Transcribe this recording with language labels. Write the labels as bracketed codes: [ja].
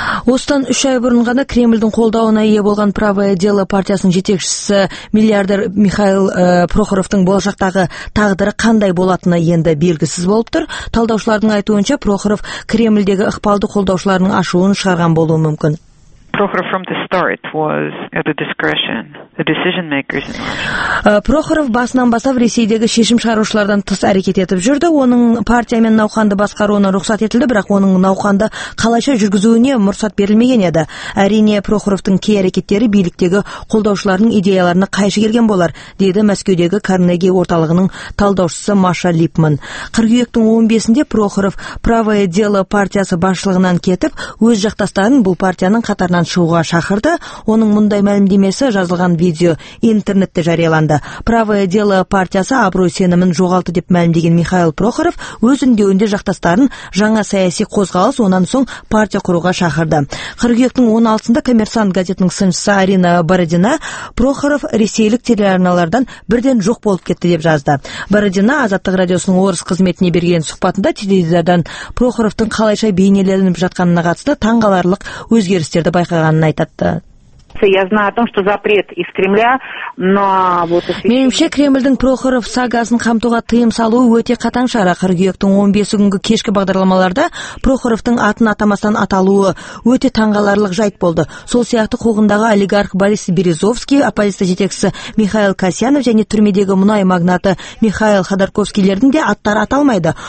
[kk] Осыдан үш ай бұрын ғана Кремльдің қолдауына ие болған Правое дело партиясының жетекшісі миллиардер Михаил Прохоровтың болашақтағы тағдыры қандай болатыны енді белгісіз болып тұр. Талдаушылардың айтуынша, Прохоров Кремльдегі ықпалды қолдаушыларының ашуын шығарған болуы мүмкін. [en] Прохоров from the start was at the discretion the decision makers in Russia. [kk] Прохоров басынан бастап Ресейдегі шешім шығарушылардан тыс әрекет етіп жүрді. Оның партия мен науқанды басқаруына рұқсат етілді, бірақ оның науқанды қалайша жүргізуіне рұқсат берілмеген еді. Әрине, Прохоровтың кей әрекеттері биліктегі қолдаушыларының идеяларына қайшы келген болар, деді Мәскеудегі Карнеги орталығының талдаушысы Маша Липман. 42-тің 15-інде Прохоров Правое дело партиясы басшылығынан кетіп, өз жақтастарын бұл партияның қатар шығуға шақырды. Оның мұндай мәлімдемесі жазылған видео интернетте жарияланды. Правое дело партиясы абырой сенімін жоғалтты деп мәлімдеген Михаил Прохоров өз үндеуінде жақтастарын жаңа саяси қозғалыс, онан соң партия құруға шақырды. 42-тің 16-сында Коммерсант газетінің сыншысы Арина Бородина Прохоров ресейлік телеарналардан бірден жоқ болып кетті деп жазды. Бородина Азаттық радиосының орыс қызметіне берген сұхбатында теледидардан Прохоровтың қалайша бейнеленіп жатқанына қатысты таңғаларлық өзгерістер байқағанын айтатты. [ru] Я знаю о том, что запрет из Кремля, но вот [kk] Меніңше Кремльдің Прохоров сагасын қамтуға тыйым салуы өте қатаң шара. 42-тің 15-ші күнгі кешкі бағдарламаларда Прохоровтың атын атамастан аталуы өте таңғаларлық жайт болды. Сол сияқты қоғындағы олигарх Борис Березовский, оппозиция жетекшісі Михаил Касьянов және түрмедегі мұнай магнаты Михаил Ходорковскийлердің де аттары аталмайды.